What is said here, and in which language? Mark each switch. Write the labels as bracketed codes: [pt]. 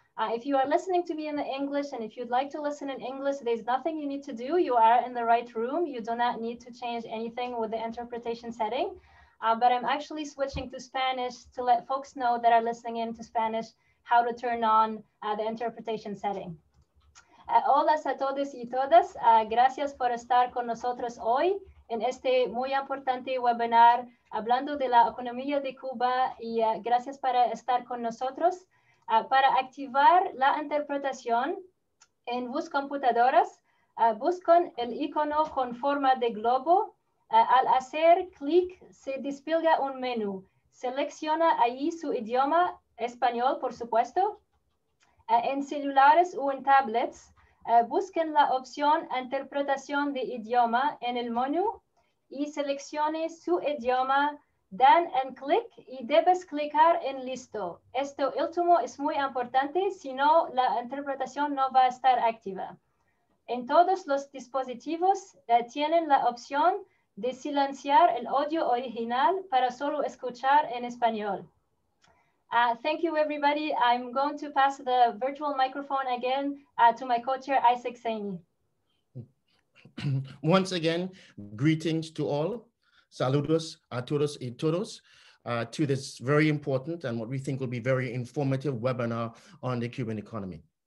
[en] If you are listening to me in the English and if you'd like to listen in English, there's nothing you need to do. You are in the right room. You do not need to change anything with the interpretation setting. But I'm actually switching to Spanish to let folks know that are listening in to Spanish how to turn on the interpretation setting. [es] Hola a todos y todas. Gracias por estar con nosotros hoy en este muy importante webinar hablando de la economía de Cuba y gracias para estar con nosotros. Para activar la interpretación en sus computadoras, buscan el icono con forma de globo. Al hacer clic, se despliega un menú. Selecciona ahí su idioma, español, por supuesto. En celulares o en tablets, busquen la opción Interpretación de idioma en el menú y seleccione su idioma, dan en clic y debes clicar en listo. Esto último es muy importante, si no, la interpretación no va a estar activa. En todos los dispositivos tienen la opción de silenciar el audio original para solo escuchar en español. [en] Thank you, everybody. I'm going to pass the virtual microphone again to my co-chair, Isaac Saini. Once again, greetings to all. [es] Saludos a todos y todos [en] to this very important and what we think will be very informative webinar on the Cuban economy.